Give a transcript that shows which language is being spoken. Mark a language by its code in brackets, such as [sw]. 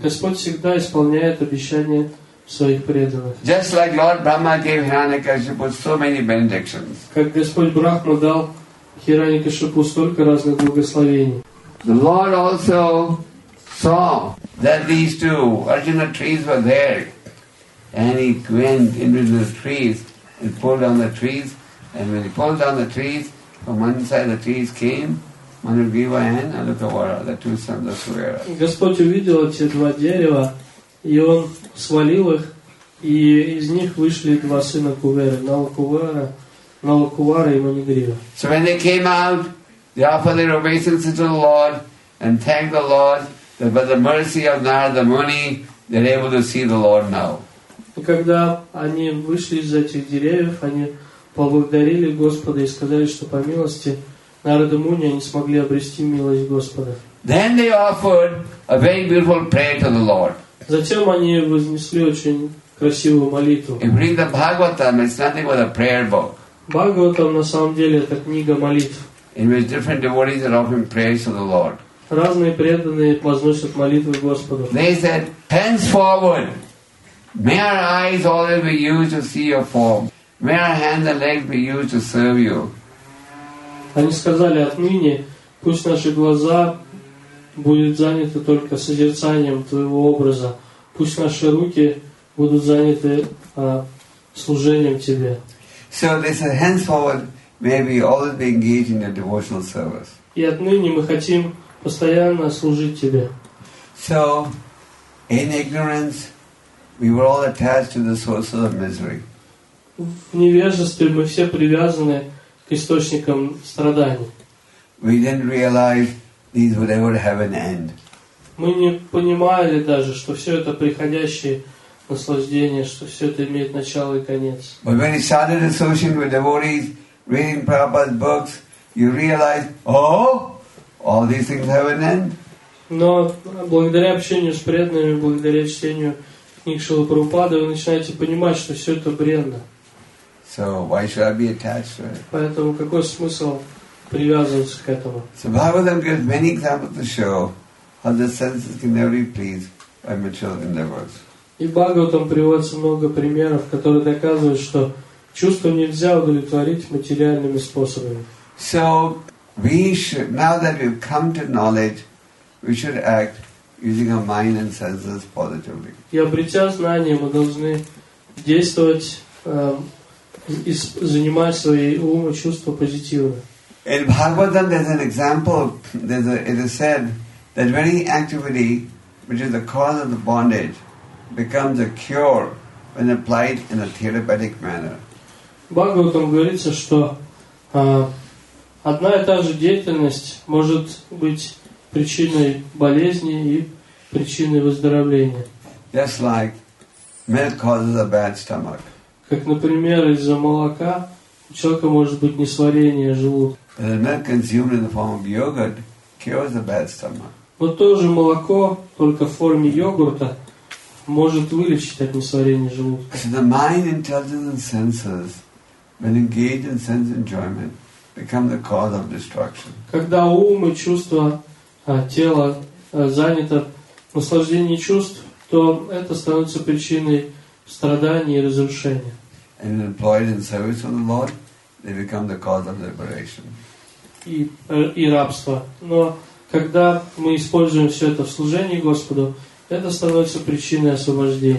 [ru] Господь всегда исполняет обещание своих преданных. [en] Just like Lord Brahma gave Hiranyakashipu so many benedictions. [ru] Как Господь Брахма дал Хираньякашипу столько разных благословений. [en] The Lord also saw that these two Arjuna trees were there, and he went into the trees and pulled down the trees, and when he pulled down the trees, from one side the trees came Manugriva and Alukavara, the two sons of Suvera. [ru] Господь увидел эти два дерева. И он свалил их, и из них вышли два сына Куверы, Налакувара и Манигрива. [en] So when they came out, they offered their obeisances to the Lord and thanked the Lord that by the mercy of Narada Muni they're able to see the Lord now. [ru] И когда они вышли из этих деревьев, они поблагодарили Господа и сказали, что по милости Нарада Муни они смогли обрести милость Господа. [en] Then they offered a very beautiful prayer to the Lord. [ru] Затем они вознесли очень красивую молитву. [en] And bring the Bhagavatam, it's nothing but a prayer book. [ru] Бхагаватам на самом деле это книга молитв. [en] In which different devotees are offering prayers to the Lord. [ru] Разные преданные возносят молитвы Господу. [en] They said, henceforward, may our eyes always be used to see your form. May our hands and legs be used to serve you. [ru] Они сказали, отныне пусть наши глаза будут заняты только созерцанием твоего образа. Пусть наши руки будут заняты служением тебе. [en] So they said, henceforward, may we always be engaged in your devotional service. [ru] И отныне мы хотим постоянно служить тебе. [en] So, in ignorance, we were all attached to the sources of misery. [ru] В невежестве мы все привязаны к источникам страданий. [en] We didn't realize these would ever have an end. [ru] Мы не понимали даже, что все это приходящее наслаждение, что все это имеет начало и конец. [en] But when you started associating with devotees, reading Prabhupada's books, you realize, oh, all these things have an end. [ru] Но благодаря общению с преданными, благодаря чтению книг Шрилы Прабхупады, вы начинаете понимать, что все это бренно. [en] So why should I be attached to it? [ru] Поэтому какой смысл привязываться к этому? [en] So Bhagavatam gives many examples to show how the senses can never be pleased by material endeavors. [ru] И Бхагаватам приводится много примеров, которые доказывают, что чувства нельзя удовлетворить материальными способами. [en] So we should, now that we've come to knowledge, we should act using our mind and senses positively. [ru] И обретя знания, мы должны действовать, занимая свои ум и чувства позитивно. [en] In Bhagavatam, there's an example. It is said that any activity which is the cause of the bondage becomes a cure when applied in a therapeutic manner. [ru] Бхагаватам говорится, что одна и та же деятельность может быть причиной болезни и причиной выздоровления. [en] Just like milk causes a bad stomach. [ru] Как, например, из-за молока у человека может быть несварение желудка. [en] The milk consumed in the form of yogurt cures a bad stomach. [ru] Но то же молоко, только в форме йогурта, может вылечить от несварения желудка. [en] So the mind, intelligence and senses, when engaged in sense enjoyment, become the cause of destruction. [ru] Когда ум и чувства тела заняты наслаждением чувств, то это становится причиной страданий и разрушения. [en] And employed in service of the Lord, they become the cause of liberation. [ru] И рабство. Но когда мы используем все это в служении Господу, это становится причиной освобождения.